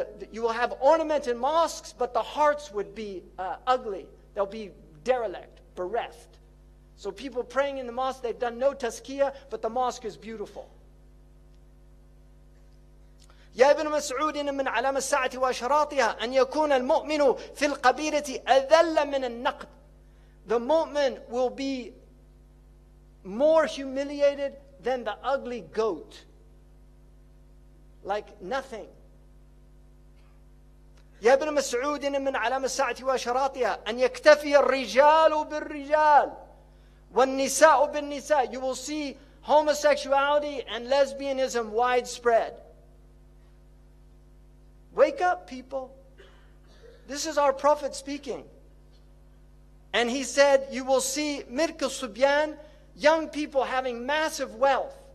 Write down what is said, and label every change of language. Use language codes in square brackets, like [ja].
[en] You will have ornamented mosques, but the hearts would be ugly. They'll be derelict, bereft. So people praying in the mosque, they've done no tazkiyah, but the mosque is beautiful. [ar] يَا إِبْنَ مَسْعُودٍ مِنْ عَلَامَ السَّاعَةِ وَأَشْرَاطِهَا أَنْ يَكُونَ الْمُؤْمِنُ فِي الْقَبِيرَةِ أَذَلَّ مِنَ النَّقْدِ. The mu'min will be more humiliated [en] than the ugly goat, like nothing. [ar] يا ابن مسعود إن من علام الساعة وشراطها أن يكتفي الرجال بالرجال والنساء بالنساء. [en] You will see homosexuality and lesbianism widespread. Wake up, people. This is our prophet speaking. And he said, you will see Mirk al-Subyan, young people having massive wealth.